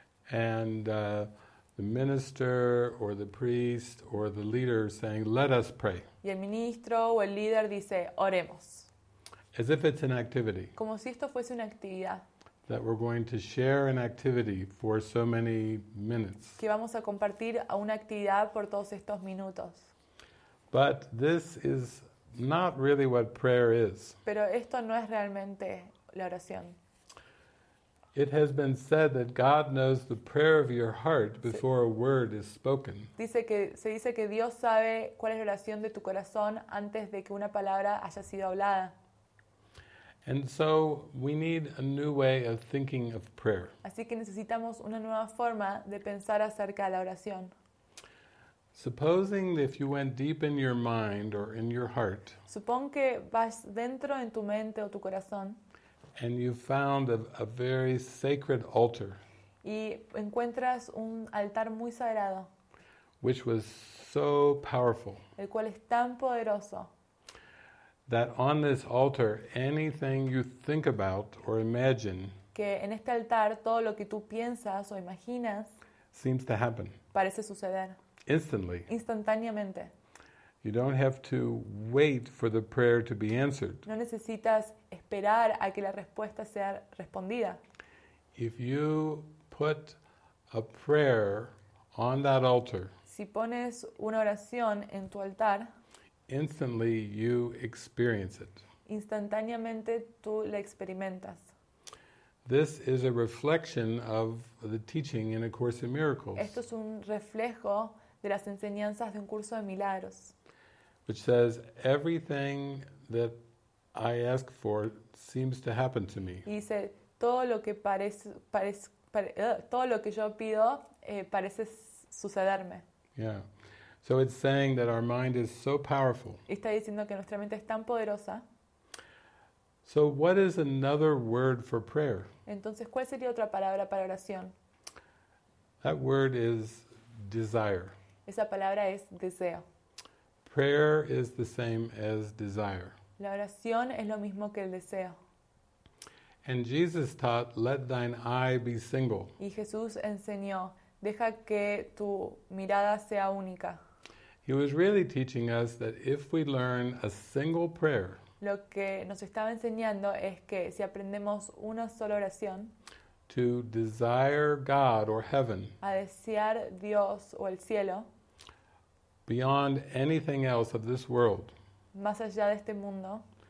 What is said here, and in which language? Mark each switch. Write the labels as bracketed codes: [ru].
[en] And the minister or the priest or the leader saying, "Let us pray." [es] Y el ministro o el líder dice, "Oremos." [en] As if it's an activity. [es] Como si esto fuese una actividad. [en] That we're going to share an activity for so many minutes. [es] Que vamos a compartir una actividad por todos estos minutos. [en] But this is not really what prayer is. [es] Pero esto no es realmente la oración. [en] It has been said that God knows the prayer of your heart before a word is spoken. [es] Se dice que Dios sabe cuál es la oración de tu corazón antes de que una palabra haya sido hablada. [en] And so we need a new way of thinking of prayer. [es] Así que necesitamos una nueva forma de pensar acerca de la oración. [en] Supposing if you went deep in your mind or in your heart. [es] Supón que vas dentro en tu mente o tu corazón. [en] And you found a very sacred altar. [es] Y encuentras un altar muy sagrado. [en] Which was so powerful. [es] El cual es tan poderoso. [en] That on this altar anything you think about or imagine. [es] Que en este altar todo lo que tú piensas o imaginas. [en] Seems to happen. [es] Parece suceder. [en] Instantly. [es] Instantáneamente. [en] You don't have to wait for the prayer to be answered. [es] No necesitas esperar a que la respuesta sea respondida. [en] If you put a prayer on that altar. [es] Si pones una oración en tu altar. [en] Instantly you experience it. [es] Instantáneamente tú la experimentas. [en] This is a reflection of the teaching in A Course in Miracles. [es] Esto es un reflejo de las enseñanzas de un curso de milagros. [en] Which says everything that I ask for seems to happen to me. [es] Y dice todo lo que yo pido parece sucederme. [en] Yeah. So it's saying that our mind is so powerful. [es] Está diciendo que nuestra mente es tan poderosa. [en] So what is another word for prayer? [es] Entonces, ¿cuál sería otra palabra para oración? [en] That word is desire. [es] Esa palabra es deseo. [en] Prayer is the same as desire. [es] La oración es lo mismo que el deseo. [en] And Jesus taught, let thine eye be single. [es] Y Jesús enseñó, deja que tu mirada sea única. [en] He was really teaching us that if we learn a single prayer, [es] lo que nos estaba enseñando es que si aprendemos una sola oración, [en] to desire God or heaven, [es] a desear Dios o el cielo, [en] beyond anything else of this world, [es] más allá de este mundo,